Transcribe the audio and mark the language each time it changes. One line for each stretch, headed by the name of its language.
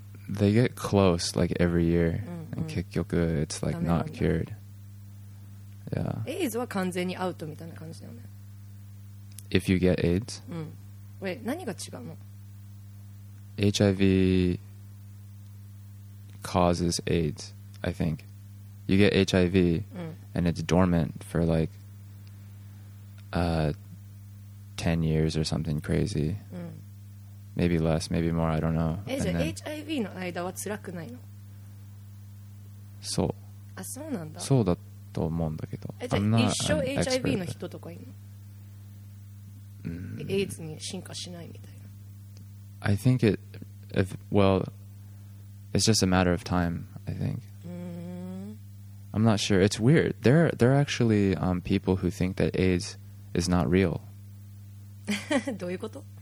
English: They get close like every year, and 結局 it's like not cured. Yeah.
Japanese: AIDSは完全にアウトみたいな感じだよね。
English: If you get AIDS?
Japanese: Wait, 何が違うの?
English: HIV causes AIDS, I think. You get HIV and it's dormant for like 10 years or something crazy. Maybe less, maybe more, I don't know.
Japanese: じゃあHIVの間は辛くないの? そう。あ、そうなんだ。そうだと思うんだけどえ、じゃあ一生HIVの人とかいるの? AIDSに進化しないみたいな。
English: I think it if, well, it's just a matter of time, I think. I'm not sure. It's weird. There are actually people who think that AIDS is not real.
Japanese: どういうこと?